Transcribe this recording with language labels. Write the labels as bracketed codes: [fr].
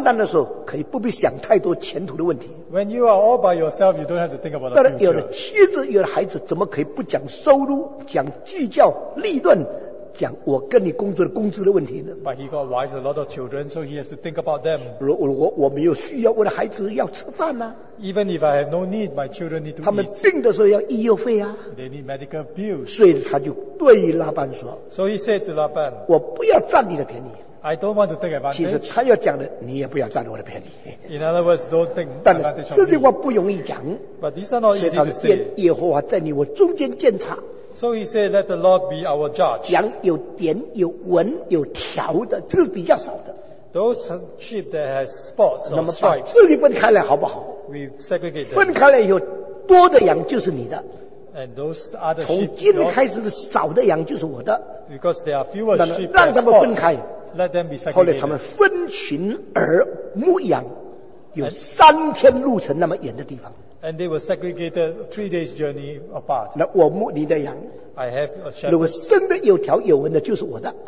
[zh] 一个人一生孤孤单单的时候，可以不必想太多前途的问题。 [en] When you are all by yourself, you don't have to think about the future. [zh] 但是有了妻子，有了孩子，怎么可以不讲收入，讲计较利润？讲我跟你工作的工资的问题呢？ [en] But he got wives, a lot of children, so he has to think about them. [zh] 我没有需要，我的孩子要吃饭呢。 [en] Even if I have no need, my children need to eat. [zh] 他们病的时候要医药费啊。 [en] They need medical bills. [zh] 所以他就对拉班说。 [en] So he said to Laban, [zh] 我不要占你的便宜。 [en] I don't want to take advantage. [zh] 其实他要讲的，你也不要占我的便宜。 [en] In other words, don't take advantage of me. [zh] 这句话不容易讲。 [en] But these are not easy to say. [zh] 所以他们耶和华在你我中间监察。 [en] So he said, let the Lord be our judge. [zh] 羊有点、有纹、有条的，这个比较少的。 [en] Those sheep that have spots or stripes. [zh] 那么把自己分开来好不好？ [en] We segregate them. [zh] 分开来以后，多的羊就是你的。 [en] And those other sheep. [zh] 从今天开始，少的羊就是我的。 [en] Because there are fewer sheep that have spots. [zh] 让他们分开。 [en] Let them be segregated. [zh] 后来他们分群而牧羊，有三天路程那么远的地方。 [en] And they were segregated 3 days journey apart. [zh] 那我牧你的羊。 [en] I have a shepherd. [zh] 如果生的有条有纹的，就是我的。